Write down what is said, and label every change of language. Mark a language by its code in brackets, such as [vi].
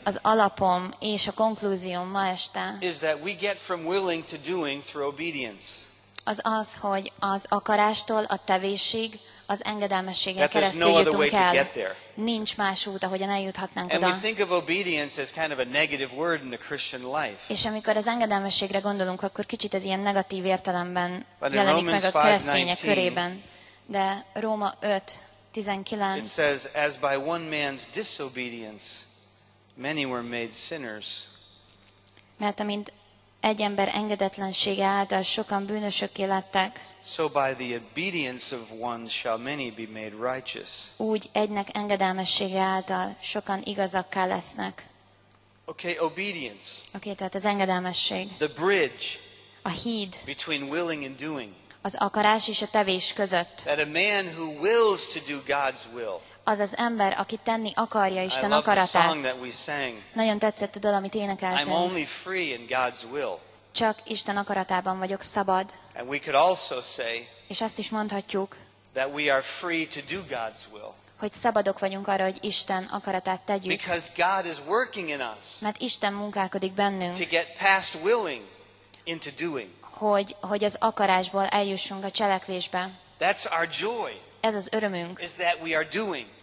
[hu] az alapom és a konklúzióm ma este. [en] Is that we get from willing to doing through obedience. [hu] Az az, hogy az akarástól a tevésig, az engedelmességen [en] that [hu] keresztül [en] no [hu] jutunk [en] other way [hu] el. [en] To get there. [hu] Nincs más út, ahogyan eljuthatnánk [en] and [hu] oda. [en] We think of obedience as kind of a negative word in the Christian life. [hu] És amikor az engedelmességre gondolunk, akkor kicsit ez ilyen negatív értelemben [en] but [hu] jelenik [en] Romans [hu] meg a keresztények körében. De Róma 5:19. [en] It says, as by one man's disobedience many were made sinners. [hu] Mert amint egy ember engedetlensége által sokan bűnösökké lettek. [en] So by the obedience of one shall many be made righteous. [hu] Úgy egynek engedelmessége által sokan igazakká lesznek. [en] Okay, obedience. [hu] Okay, tehát az engedelmesség. [en] The bridge. [hu] A híd. [en] Between willing and doing. [hu] Az akarás és a tevés között. [en] That a man who wills to do God's will. [hu] Az az ember, aki tenni akarja Isten akaratát. Nagyon tetszett a dal, amit énekeltünk. [en] I'm only free in God's will. [hu] Csak Isten akaratában vagyok szabad. [en] And we could also say, [hu] és azt is mondhatjuk, [en] that we are free to do God's will. [hu] Hogy szabadok vagyunk arra, hogy Isten akaratát tegyük. [en] Because God is working in us. [hu] Mert Isten munkálkodik bennünk. [en] To get past willing into doing. [hu] Hogy az akarásból eljussunk a cselekvésbe. [en] That's our joy. [hu] Ez az örömünk. [en] Is that we are doing.